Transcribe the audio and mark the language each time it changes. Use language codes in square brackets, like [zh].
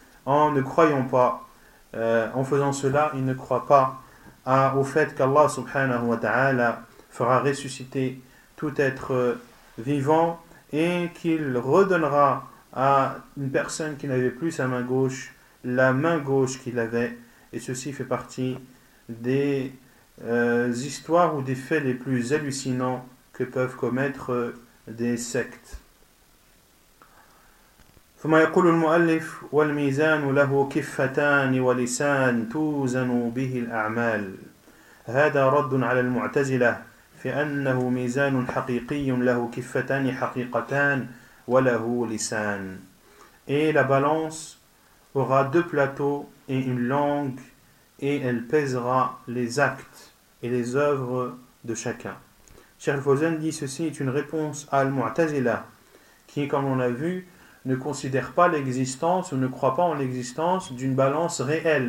[fr] en ne croyant pas, en faisant cela, ils ne croient pas au fait qu'Allah subhanahu wa ta'ala fera ressusciter tout être vivant et qu'il redonnera à une personne qui n'avait plus sa main gauche la main gauche qu'il avait. Et ceci fait partie des histoires ou des faits les plus hallucinants que peuvent commettre des sectes. [ar] ثم يقول المؤلف والميزان له كفتان ولسان توزن به الأعمال هذا رد على المعتزلة في أنه ميزان حقيقي له كفتان حقيقتان وله لسان. [fr] Et la balance aura deux plateaux et une langue et elle pèsera les actes et les œuvres de chacun. Cheikh Fawzan dit ceci est une réponse à Al-Mu'tazila qui, comme on l'a vu, ne considèrent pas l'existence ou ne croient pas en l'existence d'une balance réelle.